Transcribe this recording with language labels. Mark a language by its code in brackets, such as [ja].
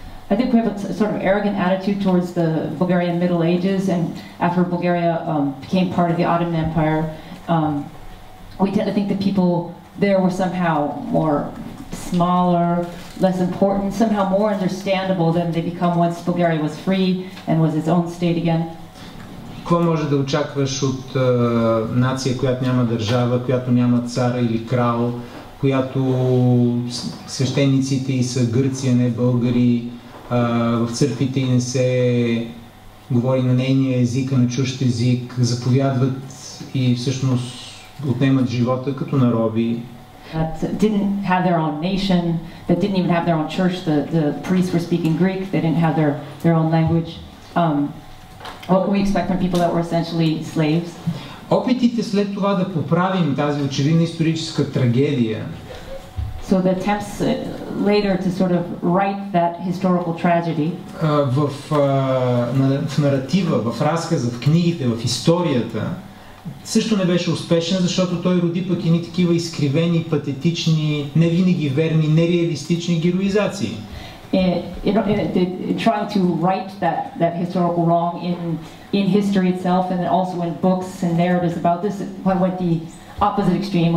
[en] I think we have a sort of arrogant attitude towards the Bulgarian Middle Ages and after Bulgaria became part of the Ottoman Empire. We tend to think that people there were somehow more smaller, less important, somehow more understandable than they become once Bulgaria was free and was its own state again. [bg] Какво може да очакваш от нация, която няма държава, която няма цар или крал, която свещениците и са гърци, а не българи, в църквите и не се говори на нейния език, а на чужд език, заповядват и всъщност отнемат живота като на роби. [en] That didn't have their own nation, that didn't even have their own church, the priests were speaking Greek, they didn't have their own language. What can we expect from people that were essentially slaves? [bg] Опитите след това да поправим тази очевидна историческа трагедия. [en] So the attempts later to sort of write that historical tragedy. [bg] В наратива, в разказа, в книгите, в историята, също не беше успешен, защото той роди пък и ни такива изкривени, патетични, не винаги верни, нереалистични героизации. [en] In trying to write that historical wrong in history itself and then also in books and narratives about this, it went the opposite extreme.